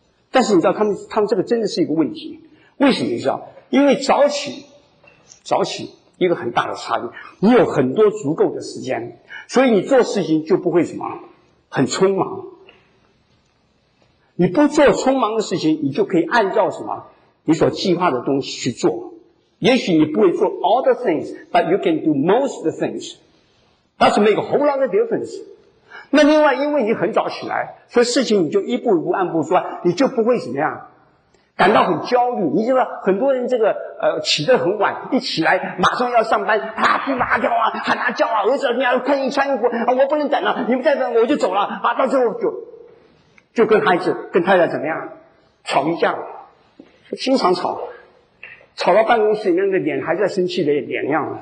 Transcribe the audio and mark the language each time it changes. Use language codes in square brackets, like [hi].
[zh] 但是你知道他们这个真的是一个问题。为什么？你知道，因为早起一个很大的差异，你有很多足够的时间，所以你做事情就不会什么很匆忙。你不做匆忙的事情，你就可以按照什么你所计划的东西去做。也许你不会做 [en] all the things， but you can do most of the things， that's make a whole lot of difference。 [zh] 那另外因为你很早起来，所以事情你就一步一步按步做，你就不会怎么样感到很焦虑。你知道很多人这个起得很晚，一起来马上要上班，啪噼啪跳啊，喊他叫啊，儿子你要看你穿衣服啊，我不能等了，你们再等我就走了啊，到时候就跟孩子跟太太怎么样吵一架，经常吵，吵到办公室里面的脸还在生气的脸样。